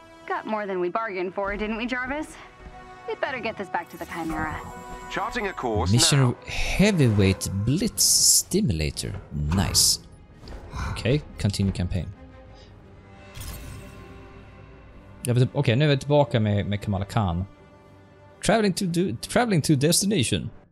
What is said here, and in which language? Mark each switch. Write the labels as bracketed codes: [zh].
[en] Got more than we bargained for, didn't we, Jarvis? We better get this back to the Chimera. Charting a course now. Mission Heavyweight Blitz Stimulator. Nice. Okay, continue campaign. [sv] Okej, nu är vi tillbaka med Kamala Khan. [en] Traveling to destination.